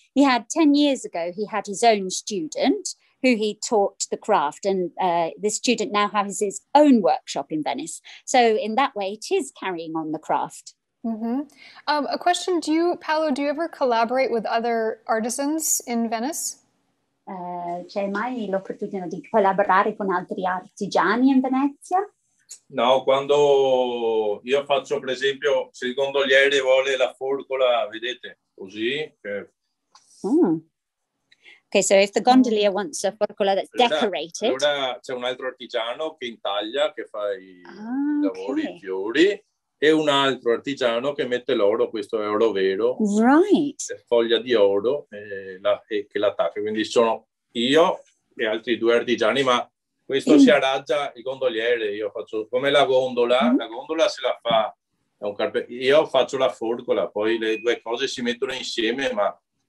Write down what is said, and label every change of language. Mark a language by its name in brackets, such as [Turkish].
[English] He had 10 years ago, he had his own student who he taught the craft. And this student now has his own workshop in Venice. So in that way, it is carrying on the craft. Mm-hmm. A question, Paolo, do you ever collaborate with other artisans in Venice? [Italian] C'è mai l'opportunità di collaborare con altri artigiani in Venezia? No, quando io faccio, per esempio, se il gondoliere vuole la forcola, vedete, così. [English] Okay, so if the gondolier wants a forcola that's decorated. [Italian] Allora c'è un altro artigiano che intaglia, che fa i lavori, i fiori, e un altro artigiano che mette l'oro, questo è oro vero, foglia di oro, che l'attacca. Quindi sono io e altri due artigiani, ma questo si arrangia il gondoliere, io faccio come la gondola, la gondola se la fa, è un io faccio la forcola, poi le due cose si mettono insieme, ma...